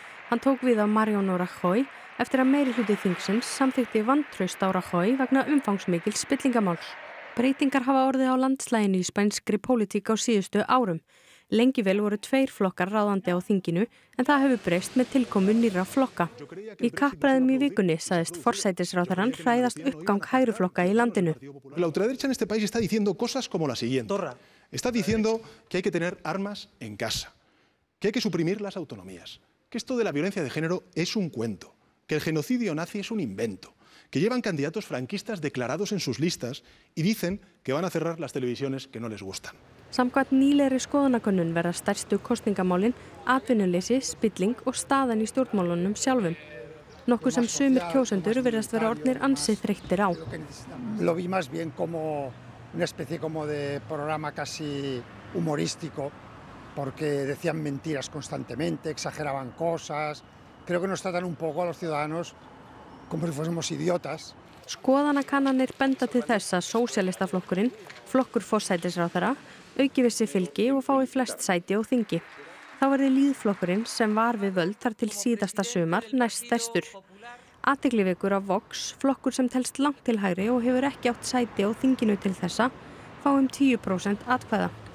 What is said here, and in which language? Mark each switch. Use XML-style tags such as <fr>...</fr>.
<is>Hann tók við á Mariano Rajoy eftir að meirihluti þingsins samþykkti vantraust á Rajoy vegna umfangsmikils spillingamáls. Breytingar hafa orðið á landslaginu í spænskri pólitík á síðustu árum. Lengi vel voru tveir flokkar ráðandi á þinginu, en það hefur breyst með tilkomu nýrra flokka. Í kappræðum í vikunni sagðist forsætisráðherrann hræðast uppgang hægri flokka í landinu.</is> <es>La ultraderecha en este país está diciendo cosas como la siguiente. Está diciendo que hay que tener armas en casa, que hay que suprimir las autonomías, que esto de la violencia de género es un cuento, que el genocidio nazi es un invento, que llevan candidatos franquistas declarados en sus listas y dicen que van a cerrar las televisiones que no les gustan.</es> <is>Samkvæmt nýlegri skoðanakönnun verða stærstu kosningamálin, atvinnuleysi, spilling og staðan í stjórnmálunum sjálfum. Nokkuð sem sumir kjósendur virðast vera orðnir ansi þreyttir á.</is> <es>Lo vi más bien como una especie como de programa casi humorístico, porque decían mentiras constantemente, exageraban cosas. Creo que nos tratan un poco a los ciudadanos como si fuésemos idiotas.</es> <is>Skoðanakannanir benda til þess að sósialistaflokkurinn, flokkur forsætisráðherra, auki við sig fylgi og fái flest sæti og þingi. Þá verði lýðflokkurinn sem var við völd þar til síðasta sumar næst stærstur. Athygli vekur að Vox, flokkur sem telst langt til hægri og hefur ekki átt sæti og þinginu til þessa, fáum 10% atkvæða.</is>